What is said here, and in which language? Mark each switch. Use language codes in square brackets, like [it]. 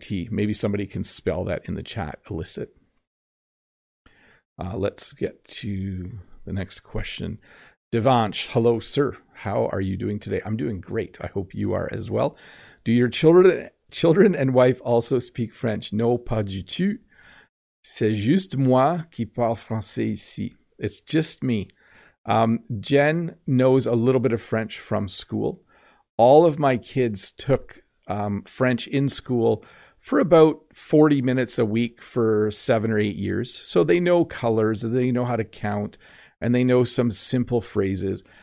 [en] Maybe somebody can spell that in the chat, elicit. Let's get to the next question. Devanch, hello, sir. How are you doing today? I'm doing great. I hope you are as well. Do your children and wife also speak French? No, [fr] pas du tout. C'est juste moi qui parle français ici. [en] It's just me. Jen knows a little bit of French from school. All of my kids took French in school for about 40 minutes a week for 7 or 8 years. So they know colors and they know how to count and they know some simple phrases.